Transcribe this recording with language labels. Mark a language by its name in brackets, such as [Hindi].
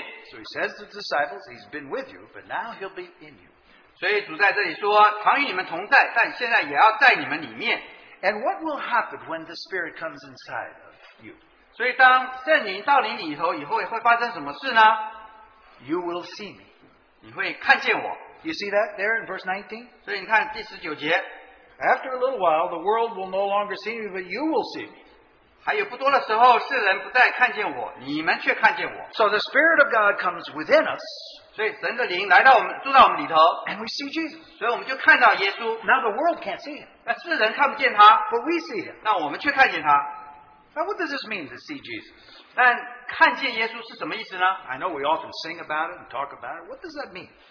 [English] So he says to the disciples, he's been with you, but now he'll be in you. [Chinese] 所以主在这里说,常与你们同在,但现在也要在你们里面。 [English] And what will happen when the Spirit comes inside of you? [Chinese] 所以当圣灵到你里头以后,会发生什么事呢? [English] You will see me. [Chinese] 你会看见我。 [English] You see that there in verse 19? [Chinese] 所以你看第19节。 [English] After a little while, the world will no longer see me, but you will see me. [Chinese] 还有不多的时候,世人不再看见我,你们却看见我。 [English] So the Spirit of God comes within us. [Chinese] 所以神的灵来到我们,住到我们里头, [English] and we see Jesus. [Chinese] 所以我们就看到耶稣, [English] now the world can't see him. [Chinese] 那世人看不见他, [English] but we see him. [Chinese] 那我们却看见他。 [English] Now what does this mean to see Jesus? [Chinese] 但看见耶稣是什么意思呢? [English] I know we often sing about it and talk about it. What does that mean?